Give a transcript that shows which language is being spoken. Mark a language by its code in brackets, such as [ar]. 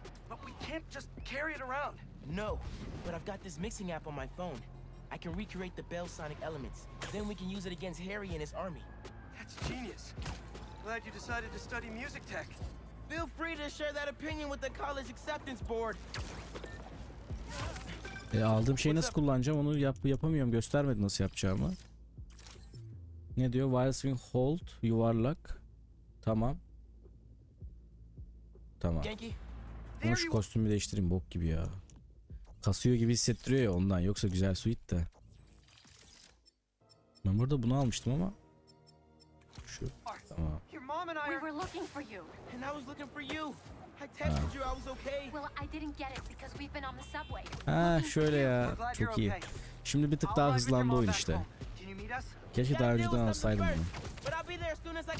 [en] But we can't just carry it around. No, but I've got this mixing app on my phone. I can recreate the bell sonic elements. Then we can use it against Harry and his army. That's genius. Glad you decided to study music tech. Feel free to share that opinion with the college acceptance board. [tr] Aldığım şeyi nasıl kullanacağım? Onu yapamıyorum. Göstermedi nasıl yapacağımı. Ne diyor? [en] Wild swing hold [tr] yuvarlak. Tamam. Tamam. Ben şu kostümü değiştireyim, bok gibi ya. Kasıyor gibi hissettiriyor ya ondan, yoksa güzel suit de. Ben burada bunu almıştım ama. Şu. Tamam. [en] We were looking for you. And I was looking for you. I tested you. I was okay. Well, I didn't get it because we've been on the subway. [tr] Ha, şöyle ya. Çok iyi. Şimdi bir tık daha hızlandı oyun işte. Keşke daha önceden alsaydım bunu.